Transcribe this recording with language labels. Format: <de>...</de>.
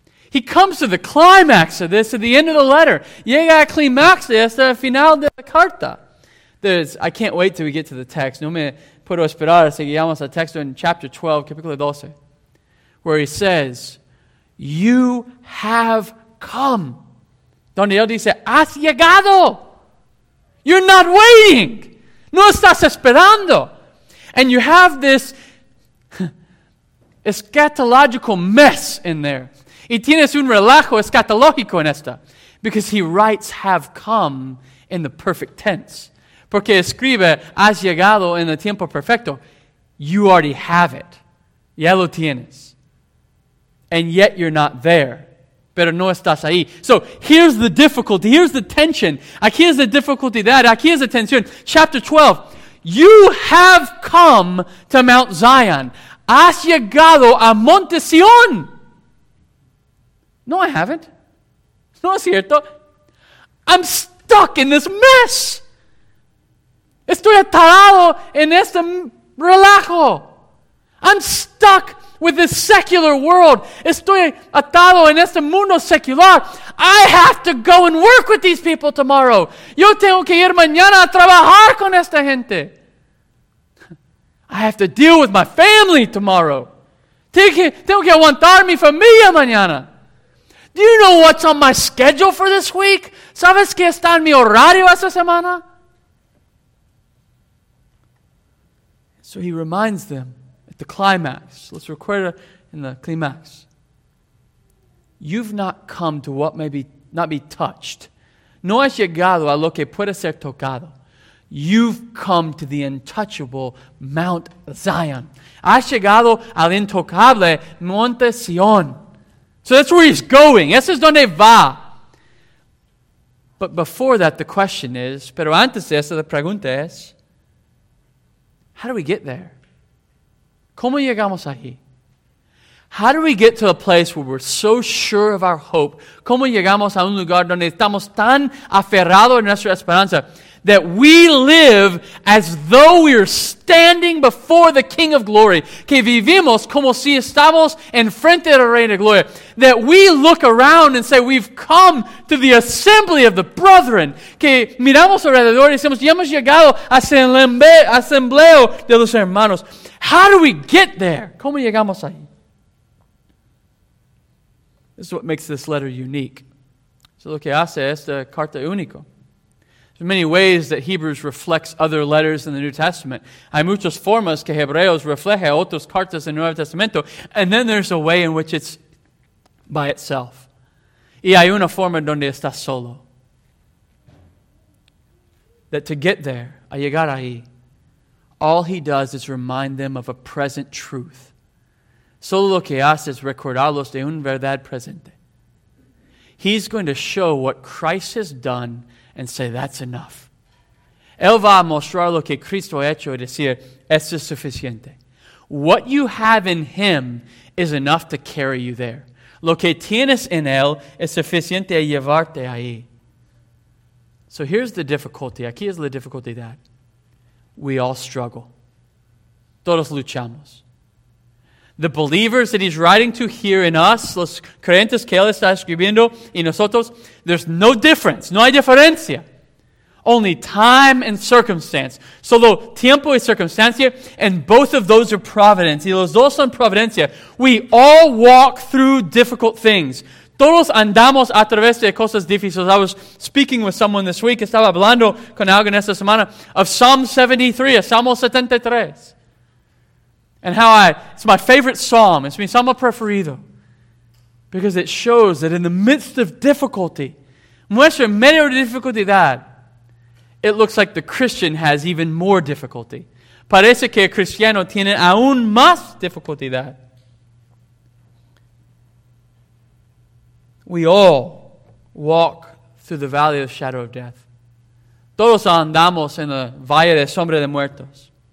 <en>He comes to the climax of this at the end of the letter.</en> <es>Llega al climax de esta final de la carta.</es> <en>I can't wait till we get to the text.</en> <es>No me puedo esperar hasta que lleguemos al texto</es> <en>in chapter 12,</en> <es>capítulo 12,</es> <en>where he says, you have come.</en> <es>Donde él dice, has llegado.</es> <en>You're not waiting.</en> <es>No estás esperando.</es> <en>And you have this eschatological mess in there.</en> <es>Y tienes un relajo escatológico en esta.</es> <en>Because he writes, have come, in the perfect tense.</en> <es>Porque escribe, has llegado en el tiempo perfecto.</es> <en>You already have it.</en> <es>Ya lo tienes.</es> <en>And yet you're not there.</en> <es>Pero no estás ahí.</es> <en>So here's the difficulty. Here's the tension.</en> <es>Aquí es la dificultad. Aquí es la tensión.</es> <en>Chapter 12. You have come to Mount Zion.</en> <es>Has llegado a Monte Sion.</es> <en>No, I haven't.</en> <es>No es cierto.</es> <en>I'm stuck in this mess.</en> <es>Estoy atado en este relajo.</es> <en>I'm stuck with this secular world.</en> <es>Estoy atado en este mundo secular.</es> <en>I have to go and work with these people tomorrow.</en> <es>Yo tengo que ir mañana a trabajar con esta gente.</es> <en>I have to deal with my family tomorrow.</en> <es>Tengo que aguantar mi familia mañana.</es> <en>Do you know what's on my schedule for this week?</en> <es>¿Sabes qué está en mi horario esta semana?</es> <en>So he reminds them at the climax. Let's record it in the climax. You've not come to what may be not be touched.</en> <es>No has llegado a lo que puede ser tocado.</es> <en>You've come to the untouchable Mount Zion.</en> <es>Has llegado al intocable Monte Sion.</es> <en>So that's where he's going.</en> <es>Ese es donde va.</es> <en>But before that, the question is,</en> <es>pero antes de eso, la pregunta es,</es> <en>how do we get there?</en> <es>¿Cómo llegamos ahí?</es> <en>How do we get to a place where we're so sure of our hope?</en> <es>¿Cómo llegamos a un lugar donde estamos tan aferrados a nuestra esperanza</es> <en>that we live as though we are standing before the King of Glory?</en> <es>Que vivimos como si estamos en frente del Rey de Gloria.</es> <en>That we look around and say, we've come to the assembly of the brethren.</en> <es>Que miramos alrededor y decimos, ya hemos llegado a asambleo de los hermanos.</es> <en>How do we get there?</en> <es>¿Cómo llegamos ahí?</es> <en>This is what makes this letter unique.</en> <es>Es lo que hace esta carta único.</es> <en>There are many ways that Hebrews reflects other letters in the New Testament.</en> <es>Hay muchas formas que Hebreos refleja otras cartas en el Nuevo Testamento.</es> <en>And then there's a way in which it's by itself.</en> <es>Y hay una forma donde está solo.</es> <en>That to get there,</en> <es>a llegar ahí,</es> <en>all he does is remind them of a present truth.</en> <es>Solo lo que hace es recordarlos de una verdad presente.</es> <en>He's going to show what Christ has done and say, that's enough.</en> <es>Él va a mostrar lo que Cristo ha hecho y decir, esto es suficiente.</es> <en>What you have in him is enough to carry you there.</en> <es>Lo que tienes en él es suficiente a llevarte ahí.</es> <en>So here's the difficulty.</en> <es>Aquí es la</es> <en>difficulty that we all struggle.</en> <es>Todos luchamos.</es> <en>The believers that he's writing to here in us,</en> <es>los creyentes que él está escribiendo y nosotros,</es> <en>there's no difference.</en> <es>No hay diferencia.</es> <en>Only time and circumstance.</en> <es>Solo tiempo y circunstancia,</es> <en>and both of those are providence.</en> <es>Y los dos son providencia.</es> <en>We all walk through difficult things.</en> <es>Todos andamos a través de cosas difíciles.</es> <en>I was speaking with someone this week.</en> <es>Estaba hablando con alguien esta semana</es> <en>of Psalm 73,</en> <es>Salmo 73.</es> <en>And how it's my favorite psalm. It's</en> <es>mi salmo preferido.</es> <en>Because it shows that in the midst of difficulty,</en> <es>muestra en medio de dificultad,</es> <en>it looks like the Christian has even more difficulty.</en> <es>Parece que el cristiano tiene aún más dificultad.</es> <en>We all walk through the valley of the shadow of death.</en> <es>Todos andamos en el valle de sombra de muertos.</es>